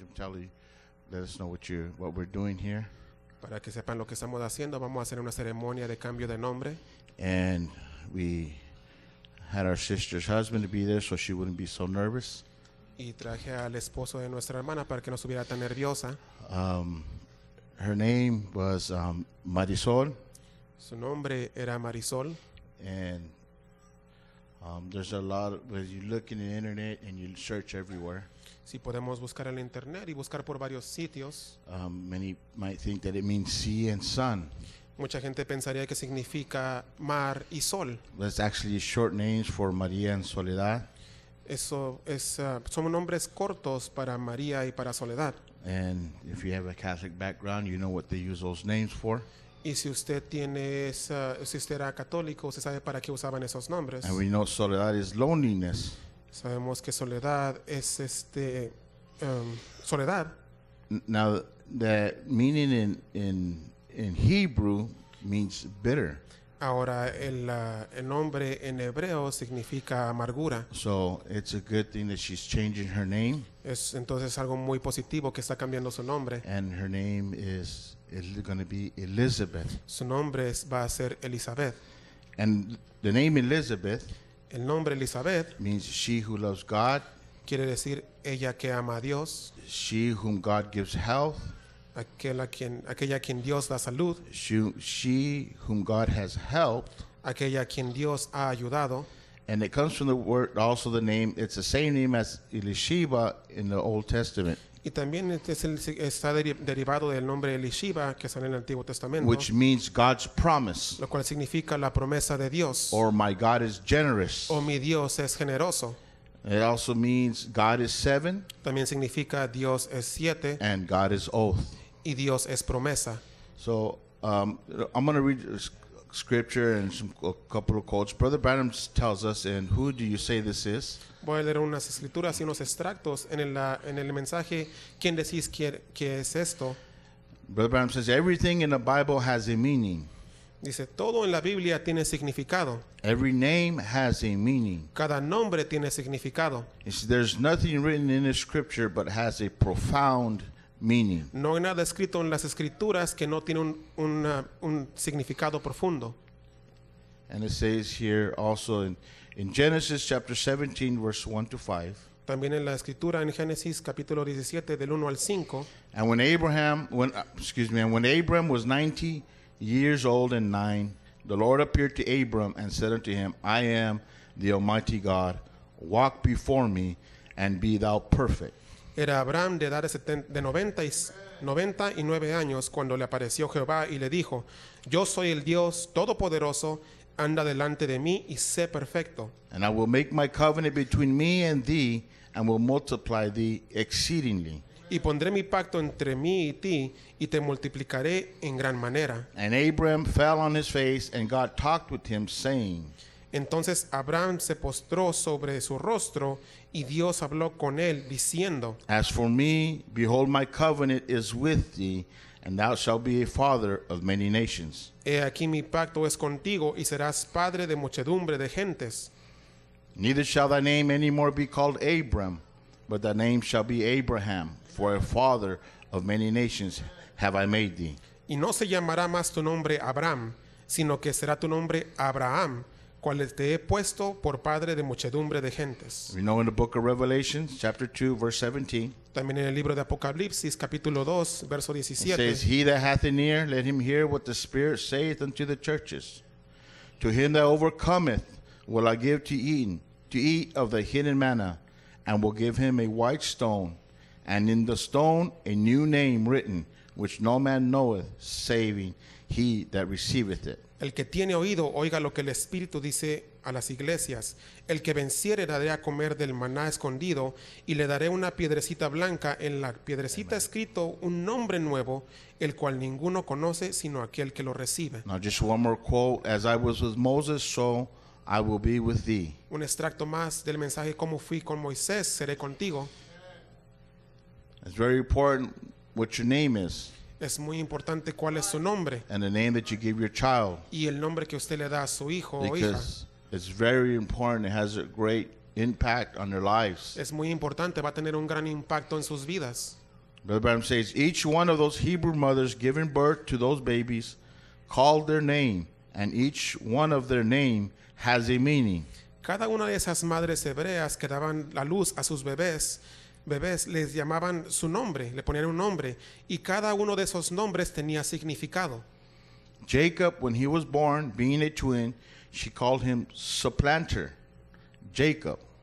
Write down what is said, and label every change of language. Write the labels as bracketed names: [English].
[English] I'm telling you, let us know what we're doing here. [Spanish] Para que sepan lo que estamos haciendo, vamos a hacer una ceremonia de cambio de nombre. [English] And we had our sister's husband to be there so she wouldn't be so nervous. [Spanish] Y traje al esposo de nuestra hermana para que no estuviera tan nerviosa. [English] Her name was Marisol. [Spanish] Su nombre era Marisol. [English] And there's a lot of, when you look in the internet and you search everywhere. [Spanish] Si podemos buscar en internet y buscar por varios sitios. [English] Many might think that it means sea and sun. [Spanish] Mucha gente pensaría que significa mar y sol. [English] That's actually short names for María and Soledad. [Spanish] Eso es, son nombres cortos para María y para Soledad. [English] And if you have a Catholic background, you know what they use those names for. [Spanish] Y si usted tiene esa, si usted era católico, usted sabe para qué usaban esos nombres. [English] And we know Soledad is loneliness. [Spanish] Sabemos que soledad es este soledad. [English] Now the meaning in Hebrew means bitter. [Spanish] Ahora el nombre en hebreo significa amargura. [English] So it's a good thing that she's changing her name. [Spanish] Es entonces algo muy positivo que está cambiando su nombre. [English] And her name is going to be Elizabeth. [Spanish] Su nombre va a ser Elizabeth. [English] And the name Elizabeth. [Spanish] El nombre Elizabeth [English] means she who loves God. [Spanish] Quiere decir ella que ama a Dios. [English] She whom God gives health. [Spanish] Aquella quien Dios da salud. [English] She whom God has helped. [Spanish] Aquella quien Dios ha ayudado. [English] And it comes from the word, also the name, it's the same name as Elisheba in the Old Testament. [Spanish] Y también está derivado del nombre Elisheba que sale en el Antiguo Testamento. [English] Which means God's promise. [Spanish] Lo cual significa la promesa de Dios. [English] Or my God is generous. [Spanish] O mi Dios es generoso. [English] It also means God is seven. [Spanish] También significa Dios es siete. [English] And God is oath. [Spanish] Y Dios es promesa. [English] So I'm going to read a scripture and a couple of quotes. Brother Branham tells us, and who do you say this is? [Spanish] Voy a leer unas escrituras y unos extractos en el mensaje. ¿Quién decís que es esto? [English] Brother Branham says everything in the Bible has a meaning. [Spanish] Dice todo en la Biblia tiene significado. [English] Every name has a meaning. [Spanish] Cada nombre tiene significado. [English] There's nothing written in the scripture but has a profound meaning. [Spanish] No hay nada escrito en las escrituras que no tiene un significado profundo. [English] And it says here also in Genesis chapter 17 verse 1 to 5. [Spanish] También en la escritura en Génesis capítulo 17 del 1 al 5. [English] And when Abraham was 90 years old and 9, the Lord appeared to Abram and said unto him, I am the Almighty God, walk before me and be thou perfect. [Spanish] Era Abraham de edad de 99 años cuando le apareció Jehová y le dijo, yo soy el Dios Todopoderoso, anda delante de mí y sé perfecto. [English] And I will make my covenant between me and thee and will multiply thee exceedingly. [Spanish] Y pondré mi pacto entre mí y ti y te multiplicaré en gran manera. [English] And Abraham fell on his face and God talked with him saying. [Spanish] Entonces Abraham se postró sobre su rostro y Dios habló con él diciendo. [English] As for me, behold my covenant is with thee. And thou shalt be a father of many nations. [Spanish] He aquí mi pacto es contigo y serás padre de muchedumbre de gentes. [English] Neither shall thy name any more be called Abram, but thy name shall be Abraham, for a father of many nations have I made thee. [Spanish] Y no se llamará más tu nombre Abraham, sino que será tu nombre Abraham, cual te he puesto por padre de muchedumbre de gentes. [English] We know in the book of Revelation, chapter 2, verse 17. [Spanish] También en el libro de Apocalipsis, capítulo 2, verso 17. [English] It says, he that hath an ear, let him hear what the Spirit saith unto the churches. To him that overcometh will I give to eat of the hidden manna, and will give him a white stone, and in the stone a new name written, which no man knoweth, saving he that receiveth it. [Spanish] El que tiene oído, oiga lo que el Espíritu dice a las iglesias. El que venciere daré a comer del maná escondido y le daré una piedrecita blanca en la piedrecita escrito un nombre nuevo, el cual ninguno conoce sino aquel que lo recibe. [English] Now just one more quote. As I was with Moses, so I will be with thee. [Spanish] Un extracto más del mensaje como fui con Moisés, seré contigo. [English] It's very important what your name is. [Spanish] Es muy importante cuál es su nombre. [English] And the name that you give your child. [Spanish] Y el nombre que usted le da a su hijo o hija. [English] Because it's very important. It has a great impact on their lives. [Spanish] Es muy importante. Va a tener un gran impacto en sus vidas. [English] Brother Branham says, each one of those Hebrew mothers giving birth to those babies called their name, and each one of their name has a meaning. [Spanish] Cada una de esas madres hebreas que daban la luz a sus bebés les llamaban su nombre, le ponían un nombre, y cada uno de esos nombres tenía significado. [English] Jacob, when he was born, being a twin, she called him supplanter, Jacob.